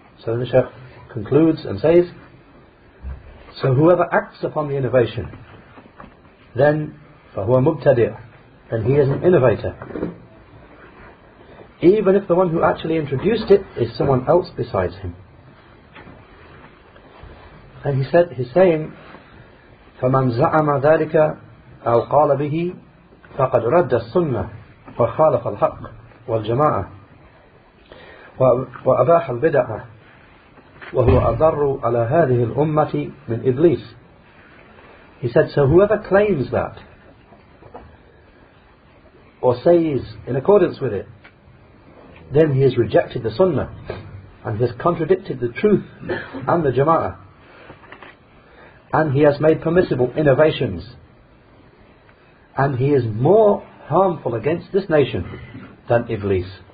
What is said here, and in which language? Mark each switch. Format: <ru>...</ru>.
<en>So then the Shaykh concludes and says, so whoever acts upon the innovation, then</en> <ar>فَهُوَ مُبْتَدِعُ,</ar> <en>then he is an innovator. Even if the one who actually introduced it is someone else besides him. And he said, he's saying,</en> <ar>فَمَنْ زَعَمَ ذَلِكَ أَوْ قَالَ بِهِ فَقَدْ رَدَّ السُّنَّةِ وَخَالَفَ الْحَقِّ وَالْجَمَاعَةِ وَأَبَاحَ الْبِدَعَةِ وَهُوَ أَضَرُّ عَلَى هَذِهِ الْأُمَّةِ مِنْ إِبْلِيسِ.</ar> <en>He said, so whoever claims that, or says in accordance with it, then he has rejected the Sunnah, and has contradicted the truth and the Jama'ah, and he has made permissible innovations, and he is more harmful against this nation than Iblis.</en>